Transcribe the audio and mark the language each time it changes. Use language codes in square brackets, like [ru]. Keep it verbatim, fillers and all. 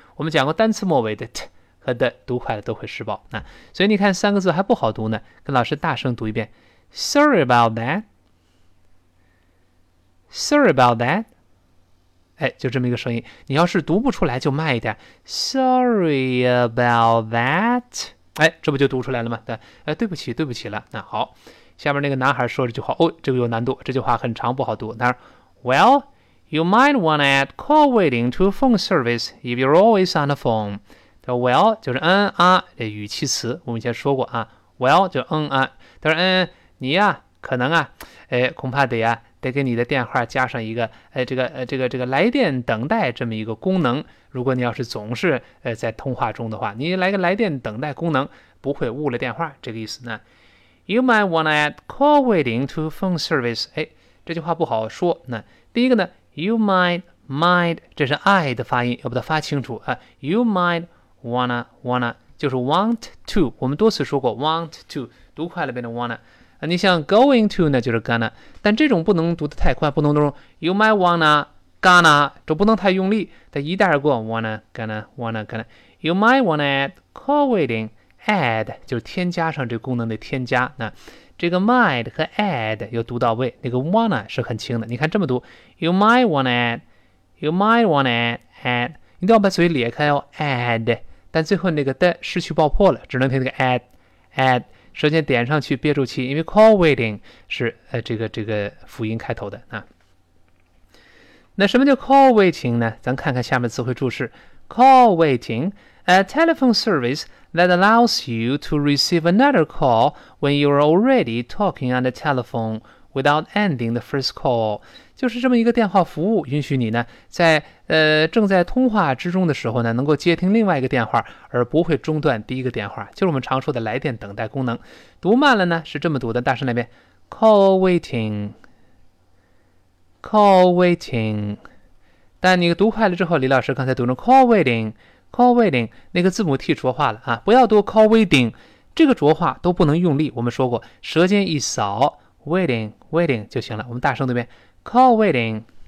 [zh] 我们讲过单词末尾的 t和的读快了都会失爆、啊、所以你看三个字还不好读呢，跟老师大声读一遍 [en] sorry about that sorry about that [zh] 哎，就这么一个声音，你要是读不出来就慢一点 sorry about that 哎，这不就读出来了吗？对,、哎、对不起对不起了。那好，下面那个男孩说这句话，哦，这个有难度，这句话很长不好读。他说 Well [en] You might want to add call waiting to phone service if you're always on the phone. [zh] Well 就是嗯啊这语气词，我们以前说过啊 ，well 就嗯啊，他说嗯你呀、啊、可能啊，哎恐怕得啊得给你的电话加上一个哎这个呃这个这个来电等待这么一个功能。如果你要是总是呃在通话中的话，你来个来电等待功能，不会误了电话这个意思呢。 [en] You might want to add call waiting to phone service。 [zh] 哎，这句话不好说。那第一个呢 ，you might might 这是 I 的发音，要把它发清楚啊。 [en] You might。 [zh] wanna wanna 就是 want to， 我们多次说过 want to 读快了变成 wanna、啊、你像 going to 呢就是 gonna， 但这种不能读得太快，不能读 you might wanna gonna 这不能太用力，它一带而过 wanna gonna wanna gonna [en] you might wanna add [zh] call waiting add 就是添加上，这个功能得添加、啊、这个 might 和 add 要读到位，那个 wanna 是很轻的，你看这么读 you might wanna add [en] you might wanna add [zh] add 你都要把嘴裂开哦 add，但最后那个的失去爆破了，只能听那个 add add， 舌尖点上去憋住气，因为 call waiting 是、呃、这个这个辅音开头的啊。那什么叫 call waiting 呢？咱看看下面词汇注释 [en] ：call waiting a telephone service that allows you to receive another call when you are already talking on the telephone without ending the first call。 [zh] 就是这么一个电话服务，允许你呢在呃正在通话之中的时候呢，能够接听另外一个电话，而不会中断第一个电话，就是我们常说的来电等待功能。读慢了呢是这么读的，大声那边 call waiting call waiting， 但你读快了之后，李老师刚才读成 call waiting call waiting， 那个字母 T 浊化了啊，不要读 call waiting， 这个浊化都不能用力，我们说过舌尖一扫 waiting waiting 就行了。我们大声读遍Call waiting,